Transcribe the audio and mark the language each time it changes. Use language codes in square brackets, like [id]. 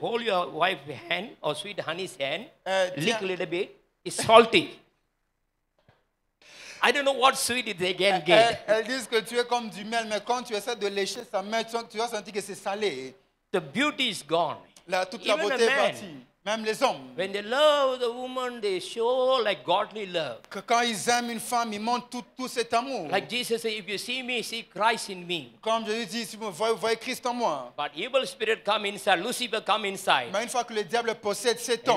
[en] Hold your wife's hand, or sweet honey's hand. Lick a little bit. It's salty. I don't know what sweet it again get. [fr] Elle dit que tu es comme du miel, mais quand tu essaies de lécher sa main, tu vas sentir que c'est salé. [en] The beauty is gone. [fr] Toute la beauté est partie. Même les hommes. [en] When they love the woman, they show like godly love. [fr] Que quand ils aiment une femme, ils montrent tout cet amour. [en] Like Jesus said, if you see me, see Christ in me. [fr] Comme Jésus dit, si vous voyez Christ en moi. [en] But evil spirit come inside, Lucifer come inside. [fr] Mais une fois que le diable possède cet homme.